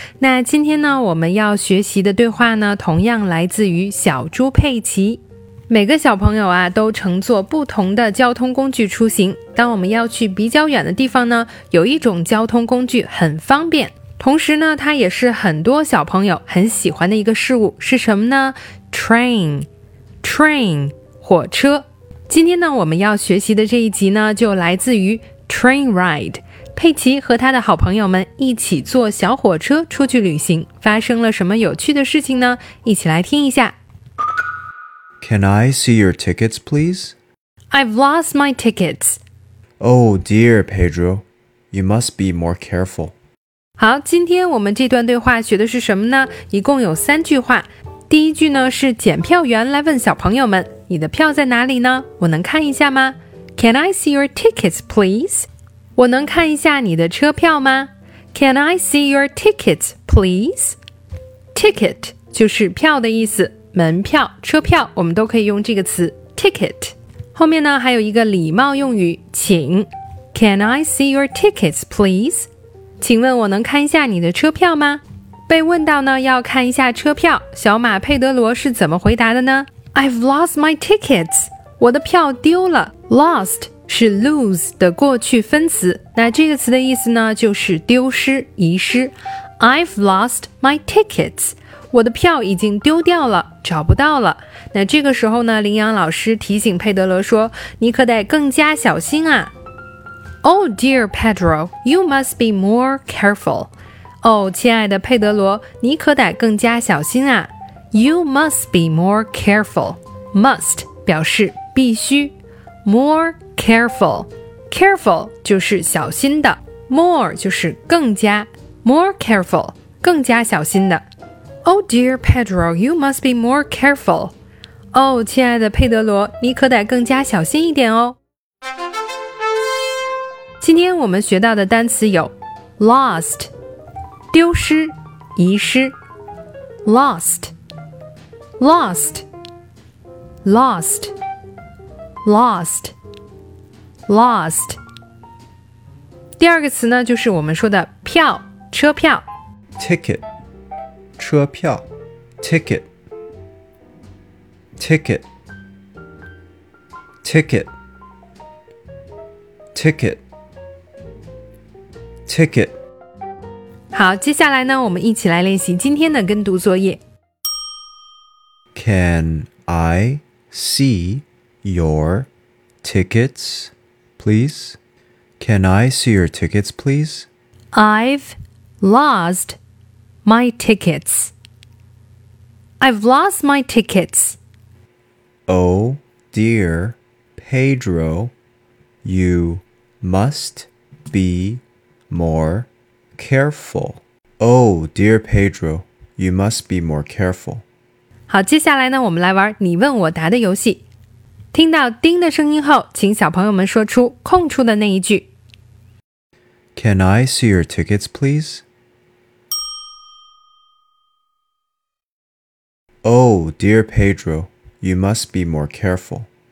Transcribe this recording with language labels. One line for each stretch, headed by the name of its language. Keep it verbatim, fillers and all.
Chinese: 那今天呢，我们要学习的对话呢，同样来自于小猪佩奇。每个小朋友啊，都乘坐不同的交通工具出行。当我们要去比较远的地方呢，有一种交通工具很方便，同时呢，它也是很多小朋友很喜欢的一个事物，是什么呢？
English: Train Train 火车。
Chinese: 今天呢，我们要学习的这一集呢，就来自于 Train Ride。佩奇和他的好朋友们一起坐小火车出去旅行，发生了什么有趣的事情呢？一起来听一下。
English: Can I see your tickets, please? I've lost my tickets. Oh dear, Pedro. You must be more careful.
Chinese: 好，今天我们这段对话学的是什么呢？一共有三句话。第一句呢，是检票员来问小朋友们，你的票在哪里呢？我能看一下吗？
English: Can I see your tickets, please?
Chinese: 我能看一下你的车票吗？
English: Can I see your tickets, please?
Chinese: Ticket 就是票的意思，门票、车票我们都可以用这个词 ticket。后面呢，还有一个礼貌用语，请。
English: Can I see your tickets, please?
Chinese: 请问我能看一下你的车票吗？被问到呢，要看一下车票，小马佩德罗是怎么回答的呢？
English: I've lost my tickets.
Chinese: 我的票丢了。 Lost 是 lose 的过去分词，那这个词的意思呢，就是丢失、遗失。
English: I've lost my tickets.
Chinese: 我的票已经丢掉了，找不到了。那这个时候呢，羚羊老师提醒佩德罗说，你可得更加小心啊。
English: Oh dear Pedro, you must be more careful.
Chinese: 哦，亲爱的佩德罗，你可得更加小心啊。
English: You must be more careful. Must
Chinese: 表示必须。
English: More careful.
Chinese: Careful 就是小心的。More 就是更加。
English: More careful
Chinese: 更加小心的。
English: Oh dear Pedro, you must be more careful.
Chinese: 哦，亲爱的佩德罗，你可得更加小心一点哦。今天我们学到的单词有 Lost 丢失、遗失。
English: Lost Lost, lost, lost, lost.
Chinese: 第二个词呢，就是我们说的票、车票。 Ticket, 车票。
English: Ticket, ticket, ticket, ticket, ticket.
Chinese: 好，接下来呢，我们一起来练习今天的跟读作业。
English: Can I see your tickets, please? Can I see your tickets, please? I've lost my tickets. I've lost my tickets. Oh dear, Pedro, you must be more careful. Oh dear, Pedro, you must be more careful.
Chinese: 好，接下来呢，我们来玩你问我答的游戏。听到叮的声音后，请小朋友们说出空出的那一句。
English: Can I see your tickets, please? Oh, dear Pedro, you must be more careful.